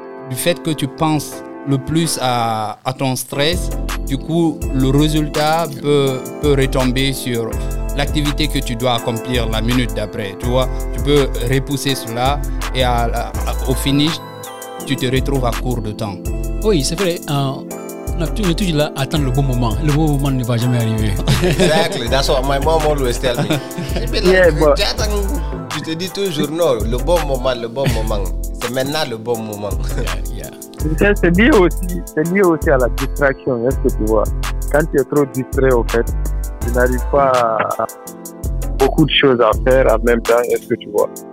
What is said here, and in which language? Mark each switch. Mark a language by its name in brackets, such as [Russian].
[French] Du fait que tu penses le plus à ton stress, du coup, le résultat peut retomber sur l'activité que tu dois accomplir la minute d'après. Tu vois, tu peux repousser cela et au finish, tu te retrouves à court de temps. Oui, c'est vrai. On est toujours là à attendre le bon moment. Le bon moment ne va jamais arriver. [English] Exactly, that's what my mom always tells me. [French] Tu te dis toujours non, le bon moment. C'est maintenant le bon moment. C'est lié aussi à la distraction, est-ce que tu vois? Quand tu es trop distrait, en fait, tu n'arrives pas à beaucoup de choses à faire en même temps, est-ce que tu vois?